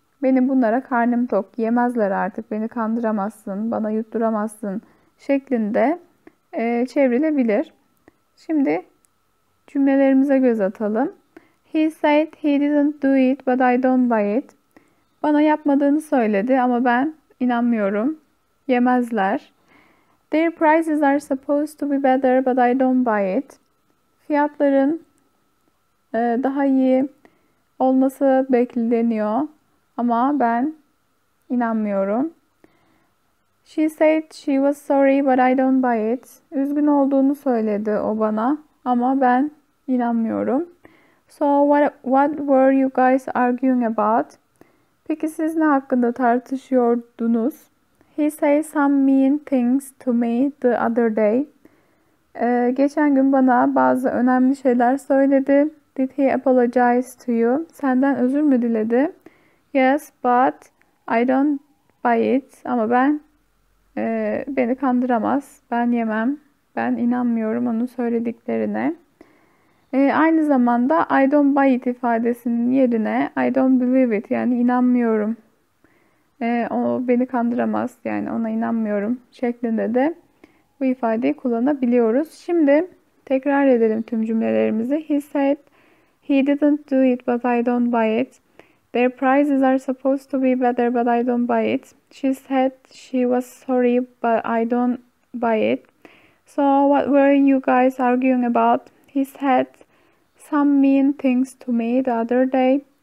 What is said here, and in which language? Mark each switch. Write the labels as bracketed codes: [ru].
[tr] Benim bunlara karnım tok, yemezler artık, beni kandıramazsın, bana yutturamazsın şeklinde çevrilebilir. Şimdi cümlelerimize göz atalım. [en] He said he didn't do it, but I don't buy it. [tr] Bana yapmadığını söyledi ama ben inanmıyorum. Yemezler. [en] Their prices are supposed to be better, but I don't buy it. [tr] Fiyatların daha iyi olması bekleniyor ama ben inanmıyorum. [en] She said she was sorry, but I don't buy it. [tr] Üzgün olduğunu söyledi o bana ama ben inanmıyorum. [en] So what were you guys arguing about? [tr] Peki siz ne hakkında tartışıyordunuz? [en] He said some mean things to me the other day. [tr] Geçen gün bana bazı önemli şeyler söyledi. [en] Did he apologize to you? [tr] Senden özür mü diledi? [en] Yes, but I don't buy it. [tr] Ama ben beni kandıramaz. Ben yemem. Ben inanmıyorum onun söylediklerine. Aynı zamanda [en] I don't buy it [tr] ifadesinin yerine [en] I don't believe it [tr] yani inanmıyorum. O beni kandıramaz yani ona inanmıyorum şeklinde de bu ifadeyi kullanabiliyoruz. Şimdi tekrar edelim tüm cümlelerimizi. [en] He said he didn't do it but I don't buy it. Their prices are supposed to be better but I don't buy it. She said she was sorry but I don't buy it. So what were you guys arguing about? He said some mean things to me the other day.